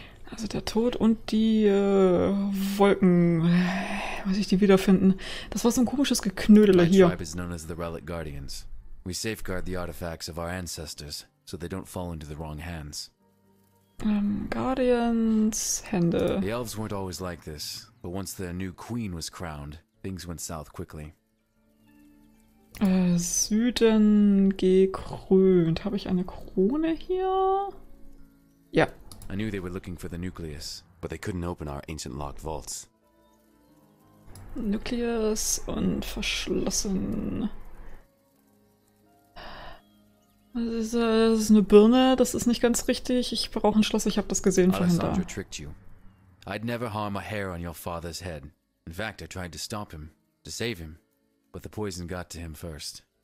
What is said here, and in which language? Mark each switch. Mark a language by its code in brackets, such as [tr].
[de] Also der Tod und die Wolken, was ich die wiederfinden. Das war so ein komisches Geknödel hier. [en] My tribe is known as the Relic Guardians. We safeguard the artifacts of our ancestors, so they don't fall into the wrong hands. Guardians, Hände. The elves weren't always like this, but once their new queen was crowned, things went south quickly. [de] Süden gekrönt. Habe ich eine Krone hier? Ja. [en] I knew they were looking for the nucleus, but they couldn't open our ancient locked vaults. [de] Nucleus und verschlossen. Das ist eine Birne, das ist nicht ganz richtig. Ich brauche ein Schloss, ich habe das gesehen vorhin da. [en] Alessandro tricked you. I'd never harm a hair on your father's head. In fact, I tried to stop him, to save him. But the poison got to him first.